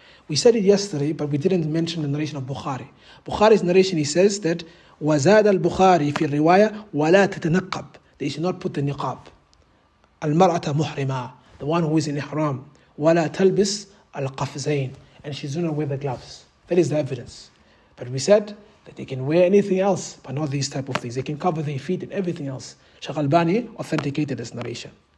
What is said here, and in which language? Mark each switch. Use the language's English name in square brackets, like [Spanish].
[English] We said it yesterday, but we didn't mention the narration of Bukhari. Bukhari's narration, he says that [Arabic] وزاد البخاري في الرواية ولا تتنقب. [English] They should not put the niqab. [Arabic] المرأة محرمة. [English] The one who is in ihram. [Arabic] ولا تلبس القفزين, [English] and she's gonna wear the gloves. That is the evidence. But we said that they can wear anything else, but not these type of things. They can cover their feet and everything else. Shaykh Albani authenticated this narration.